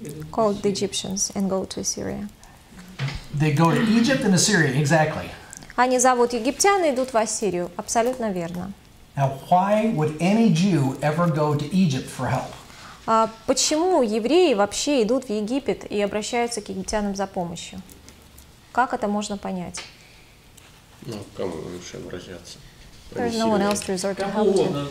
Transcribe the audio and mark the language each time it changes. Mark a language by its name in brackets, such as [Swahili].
[English] Called the Egyptians and go to Assyria. They go to Egypt and Assyria, exactly. [Russian] Они зовут египтян и идут в Ассирию. Абсолютно верно. [English] Now, why would any Jew ever go to Egypt for help? [Russian] Почему евреи вообще идут в Египет и обращаются к египтянам за помощью? Как это можно понять? Ну, кому лучше обращаться? [English] There's no one else to resort to help to.